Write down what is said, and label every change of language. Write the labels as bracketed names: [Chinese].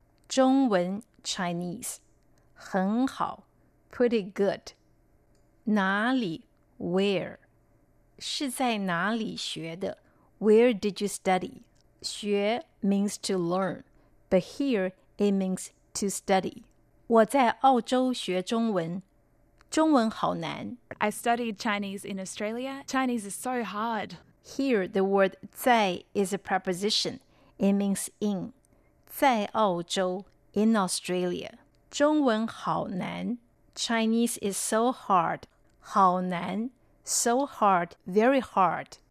[English] 中文, Chinese. 很好, pretty good. [Chinese] 哪里, where? 是在哪里学的? [English] Where did you study? 学 means to learn, but here it means to study. [Chinese] 我在澳洲学中文。中文好难。 [English] I studied Chinese in Australia. Chinese is so hard. Here, the word 在 is a preposition. It means in. [Chinese] 在澳洲 [English] in Australia. [Chinese] 中文好难 [English] Chinese is so hard. 好难 so hard, very hard.